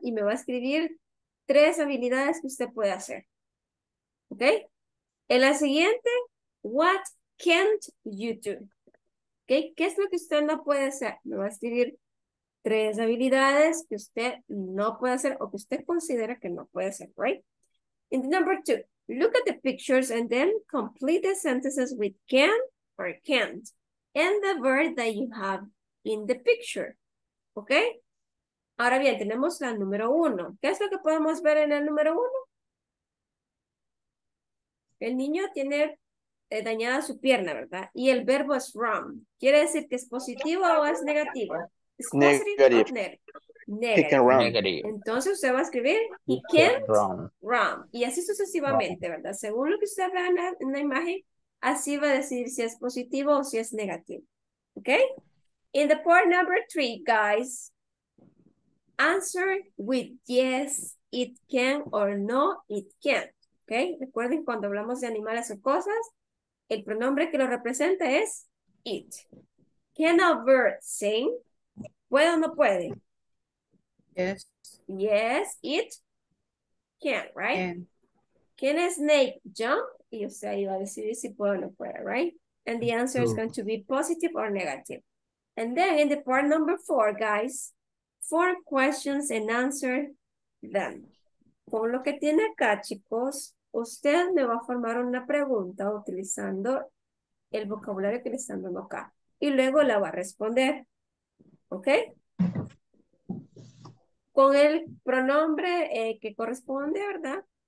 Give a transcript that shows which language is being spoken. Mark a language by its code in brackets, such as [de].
[en] Y me va a escribir tres habilidades que usted puede hacer. ¿Ok? [es] En la siguiente, [en] what can't you do? Okay. [es] ¿Qué es lo que usted no puede hacer? Me va a escribir tres habilidades que usted no puede hacer o que usted considera que no puede hacer, right? [en] In the number two, look at the pictures and then complete the sentences with can or can't and the verb that you have in the picture, ¿ok? [es] Ahora bien, tenemos la número uno. ¿Qué es lo que podemos ver en el número uno? El niño tiene dañada su pierna, ¿verdad? Y el verbo es run. ¿Quiere decir que es positivo o es negativo? ¿Es [en] negative. Negative. He can run. [es] Negative. Entonces usted va a escribir [en] he can't run. [es] Y así sucesivamente, run. ¿Verdad? Según lo que usted ve en la imagen, así va a decir si es positivo o si es negativo. ¿Ok? [en] In the part number three, guys, answer with yes, it can, or no, it can't. ¿Ok? [es] Recuerden cuando hablamos de animales o cosas, el pronombre que lo representa es it. [en] Can a verb sing? [es] ¿Puede o no puede? [en] Yes. Yes, it can, right? Can a snake jump? [es] Y usted ahí va a decidir si puede o no puede, right? [en] And the answer is going to be positive or negative. And then in the part number four, guys, four questions and answer them. [es] Con lo que tiene acá, chicos, usted me va a formar una pregunta utilizando el vocabulario que le están dando acá. Y luego la va a responder. ¿Ok? con el pronombre que corresponde, ¿verdad?